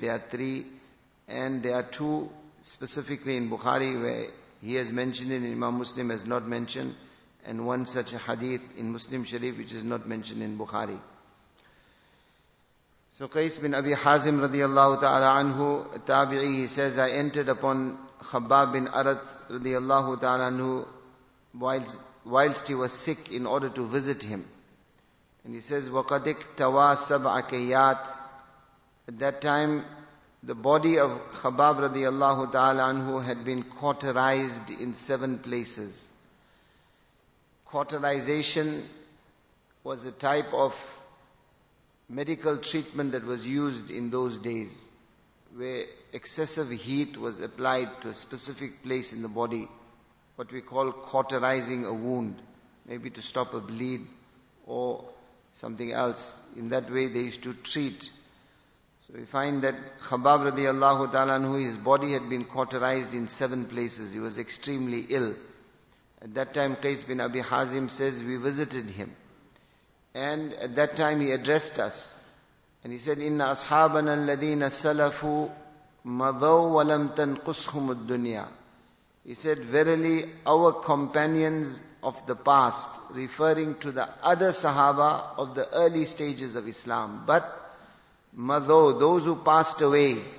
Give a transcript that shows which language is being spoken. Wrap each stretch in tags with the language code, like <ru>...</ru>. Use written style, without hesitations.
<en>There are three, and there are two specifically in Bukhari where he has mentioned it, Imam Muslim has not mentioned, and one such a hadith in Muslim Sharif which is not mentioned in Bukhari. So Qais bin Abi Hazim radiallahu ta'ala anhu, a tabi'i, he says, I entered upon Khabbab bin Arat radiallahu ta'ala anhu whilst he was sick in order to visit him. And he says,</en> <ar>وَقَدِكْ تَوَى سَبْعَ كَيَّاتِ.</ar> <en>At that time, the body of Khabbab radiallahu ta'ala anhu had been cauterized in seven places. Cauterization was a type of medical treatment that was used in those days, where excessive heat was applied to a specific place in the body, what we call cauterizing a wound, maybe to stop a bleed or something else. In that way they used to treat. So we find that Khabbab radiallahu ta'ala anhu, his body had been cauterized in seven places. He was extremely ill. At that time, Qais bin Abi Hazim says, we visited him. And at that time he addressed us. And he said,</en> <ar>إِنَّ أَصْحَابَنَا الَّذِينَ سَلَفُوا مَضَوْا وَلَمْ تَنْقُصْهُمُ الدُّنْيَا.</ar> <en>He said, verily our companions of the past, referring to the other Sahaba of the early stages of Islam, but Madho, those who passed away,</en>